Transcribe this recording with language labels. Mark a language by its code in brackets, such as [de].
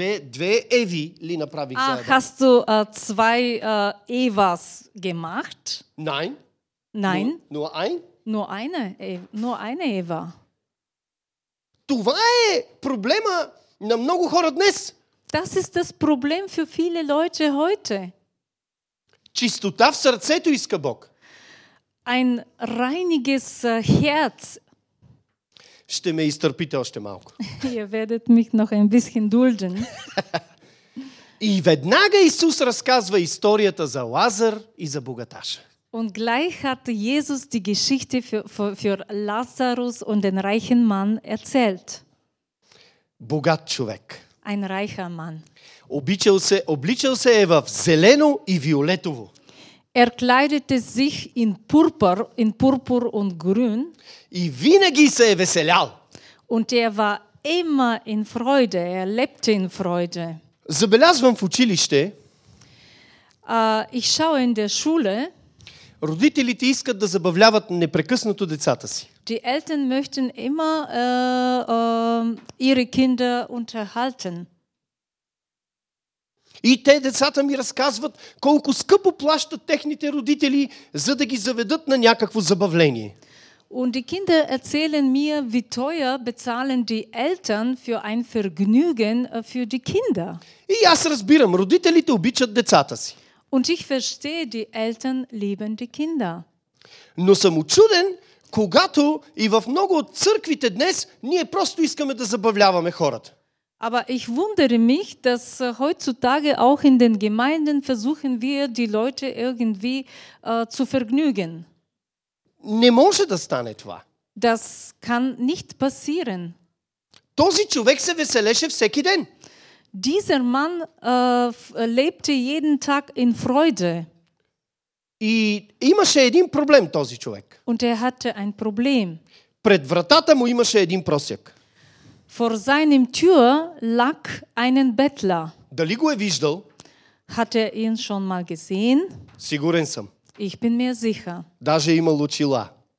[bg] Две Еви ли направих за Адам? [de] Ах, hast du zwei Evas gemacht? Nein. Nein. Nur ein? Nur eine Eva. [bg] Това е проблема на много хора днес. [de] Das ist das Problem für viele Leute heute. [bg] Чистота в сърцето иска Бог. [de] Ein reiniges Herz. [bg] Ще ме изтърпите още малко. [de] Ihr werdet mich noch ein bisschen dulden. [bg] И веднага Исус разказва историята за Лазар и за богаташа. [de] Und gleich hat Jesus die Geschichte für Lazarus und den reichen Mann erzählt. [bg] Богат човек. [de] Ein reicher Mann. [bg] Обличал се е в зелено и виолетово. [de] Er kleidete sich in purpur und grün. [bg] И винаги се е веселял. [de] Und er war immer in Freude, er lebte in Freude. [bg] Забелязвам в училище. [de] Ich schaue in der Schule. [bg] Родителите искат да забавляват непрекъснато децата си. [de] Die Eltern möchten immer ihre Kinder unterhalten. [bg] И те децата ми разказват колко скъпо плащат техните родители, за да ги заведат на някакво забавление. [de] Und die Kinder erzählen mir, wie teuer bezahlen die Eltern für ein Vergnügen für die Kinder. [bg] И аз разбирам, родителите обичат децата си. [de] Und ich verstehe, die Eltern lieben die Kinder. [bg] Но съм учуден, когато и в много от църквите днес ние просто искаме да забавляваме хората. [de] Aber ich wundere mich, dass heutzutage auch in den Gemeinden versuchen wir, die Leute irgendwie zu vergnügen. [bg] Не може да стане това. [de] Das kann nicht passieren. [bg] Този човек се веселеше всеки ден. [de] Dieser Mann lebte jeden Tag in Freude. [bg] И имаше един проблем този човек. [de] Und er hatte ein Problem. [bg] Пред вратата му имаше един просяк. [de] Vor seinem Tür lag einen Bettler. [bg] Дали го е виждал? [de] Hat er ihn schon mal gesehen? [bg] Сигурен съм. [de] Ich bin mir sicher. [bg] Даже има лучила.